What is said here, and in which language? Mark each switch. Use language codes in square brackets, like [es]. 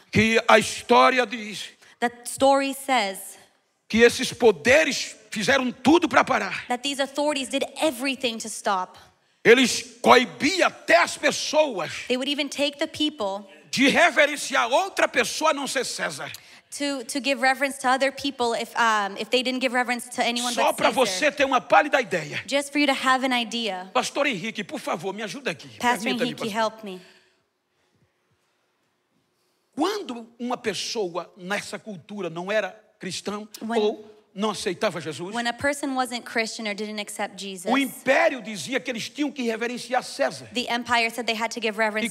[pt] Que a história diz. [en] The story says. [pt] Que esses poderes fizeram tudo para parar. [en] That these authorities did everything to stop. [pt] Eles coibiam até as pessoas. [en] They would even take the people. [pt] De reverenciar outra pessoa a não ser César. [en] To give reverence to other people if they didn't give reverence to anyone [pt] só Só para você ter uma pálida ideia. [en] Just for you to have an idea. [pt] Pastor Henrique, por favor, me ajuda aqui. [en] Pastor Henrique, help me. [pt] Quando uma pessoa nessa cultura não era cristã ou não aceitava Jesus, [en] when a person wasn't Christian or didn't accept Jesus, [pt] o império dizia que eles tinham que reverenciar César. [en] The empire said they had to give reverence